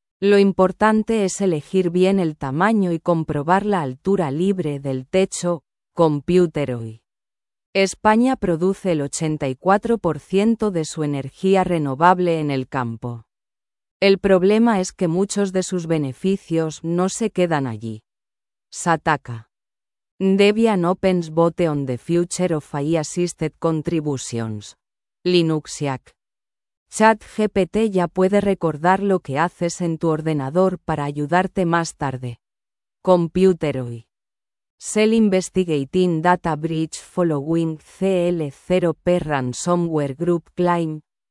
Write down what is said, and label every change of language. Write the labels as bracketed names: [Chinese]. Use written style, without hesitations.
[Spanish] Lo importante es elegir bien el tamaño y comprobar la altura libre del techo. Computer hoy. España produce el 84% de su energía renovable en el campo. El problema es que muchos de sus beneficios no se quedan allí. Sataka. [English] Debian opens vote on the future of AI assisted contributions. Linuxiac. [Spanish] ChatGPT ya puede recordar lo que haces en tu ordenador para ayudarte más tarde. [English] Computer hoy. Cell Investigating Data Breach Following CL0P Ransomware Group Claim.